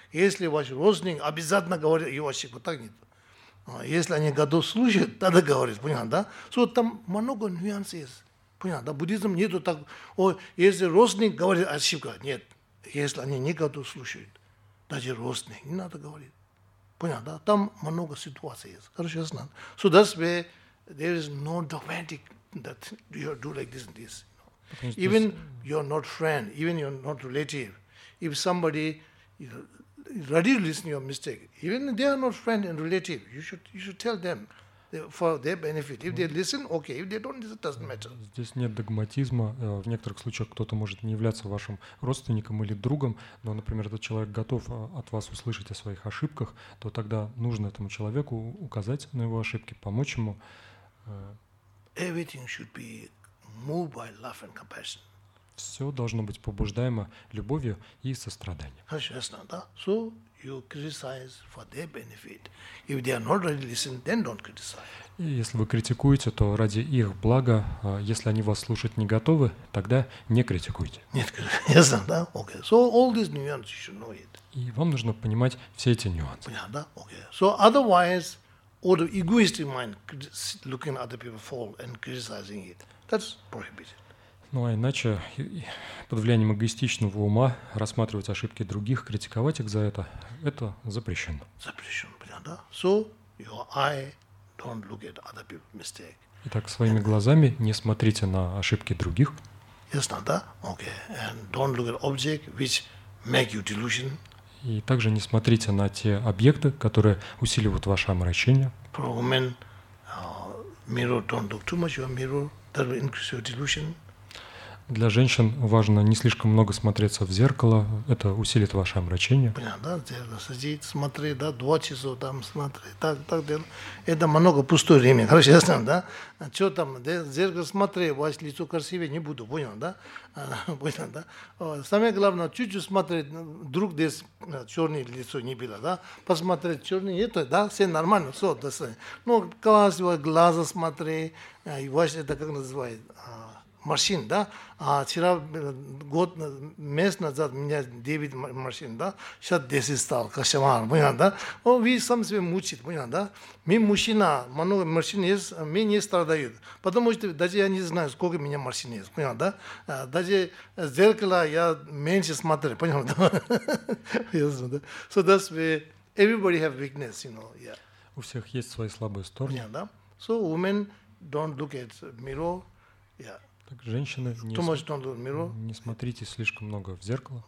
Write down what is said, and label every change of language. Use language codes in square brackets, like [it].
[ru] Если ваш родственник обязательно говорит его ошибку, так нет. Если они готовы слушать, тогда говорит, понятно, да? Вот там много нюансов есть. Понятно, да? Буддизм нету так. Если родственник говорит ошибку, нет. Если они не готовы слушать, даже родственник не надо говорить. Понятно, да? Там много ситуаций есть. Хорошо, я знаю. [en] So that's where there is no dogmatic that you do like this and this. Even you're not friend, even you're not relative. If somebody ready to listen to your mistake, even they are not friend and relative, you should tell them for their benefit. If they listen, okay. If they don't, it doesn't matter. [ru] Здесь нет догматизма. В некоторых случаях кто-то может не являться вашим родственником или другом, но, например, этот человек готов от вас услышать о своих ошибках, то тогда нужно этому человеку указать на его ошибки, помочь ему. [en] Everything should be move by love and compassion. [ru] Все должно быть побуждаемо любовью и состраданием. Конечно, да. [en] So you criticize for their benefit. If they are not ready to listen, then don't criticize. [ru] Если вы критикуете, то ради их блага. Если они вас слушать не готовы, тогда не критикуйте. Нет, конечно, да. [en] Okay. So all these nuances you should know it. [ru] И вам нужно понимать все эти нюансы. Понятно, да. [en] Okay. So otherwise, all the egoistic mind looking at other people fall and criticizing it. That's prohibited. [ru] Ну а иначе под влиянием эгоистичного ума рассматривать ошибки других, критиковать их за это запрещено. Запрещено, понятно, да? [en] So your eye don't look at other people's mistake. [ru] Итак, своими глазами не смотрите на ошибки других. [en] Yes, not that. Okay. And don't look at objects which make you delusion. [ru] И также не смотрите на те объекты, которые усиливают ваше омрачение. [en] For women, mirror, don't look too much your mirror, that will increase your delusion. [ru] Для женщин важно не слишком много смотреться в зеркало, это усилит ваше омрачение. Понятно, да, зеркало сидит, смотри, да, два часа там смотри, так, так дело. Это много пустое время, хорошо, ясно, да? А что там, да, зеркало смотри, у вас лицо красивее, не буду, понял, да? Понял, да? Самое главное, чуть-чуть смотреть, вдруг здесь черное лицо не было, да? Посмотреть черное, это, да, все нормально, все, до свидания. Ну, глаз, глаза смотри, и у вас это как называется? Морщин, да? А вчера год, месяц назад у меня 9 морщин, да? Сейчас 10 стал, кошмар, понятно, да? Он видит, сам себя мучит, понятно, да? Мы мужчина, много морщин есть, мы не страдают. Потому что даже я не знаю, сколько у меня морщин есть, понятно, да? Даже в зеркало я меньше смотрю, понятно, да? [en] So that's why everybody have weakness, you know, yeah. [ru] У всех есть свои слабые стороны. Понятно, да? [en] So women don't look at mirror, yeah. [ru] Так, женщины, не смотрите слишком много в зеркало.